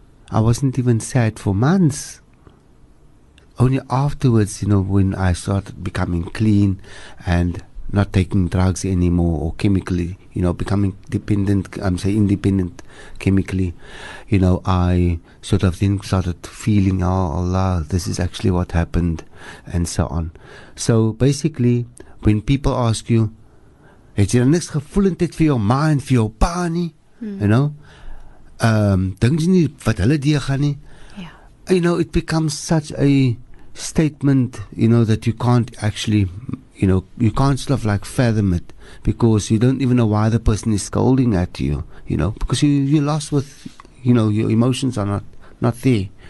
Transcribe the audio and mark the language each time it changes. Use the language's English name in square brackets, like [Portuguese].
[English] I wasn't even sad for months. Only afterwards, you know, when I started becoming clean and not taking drugs anymore, or chemically, you know, becoming dependent, independent chemically, you know, I sort of then started feeling, oh Allah, this is actually what happened, and so on. So basically, when people ask you, [Afrikaans] het jy niks gevoel in dit vir jou mind, vir jou pa nie? [English] You know, [Afrikaans] dink jy nie wat hulle deur gaan nie? [English] Yeah. You know, it becomes such a statement, you know, that you can't actually, you know, you can't sort of like fathom it, because you don't even know why the person is scolding at you, you know, because you're lost with, you know, your emotions are not there.